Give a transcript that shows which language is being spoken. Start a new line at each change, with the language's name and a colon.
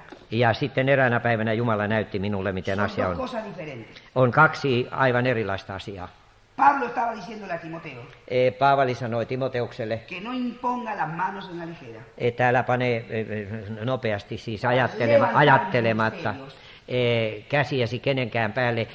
Finnish: Ja sitten eräänä päivänä Jumala näytti minulle, miten
Spanish: son
Finnish: asia on. On kaksi aivan erilaista asiaa.
Spanish: Pablo estaba diciéndole a Timoteo,
Finnish: Paavali sanoi Timoteukselle,
Spanish: que no imponga las manos en la ligera.
Finnish: Että älä pane nopeasti siis ajattelematta käsiäsi kenenkään päälle.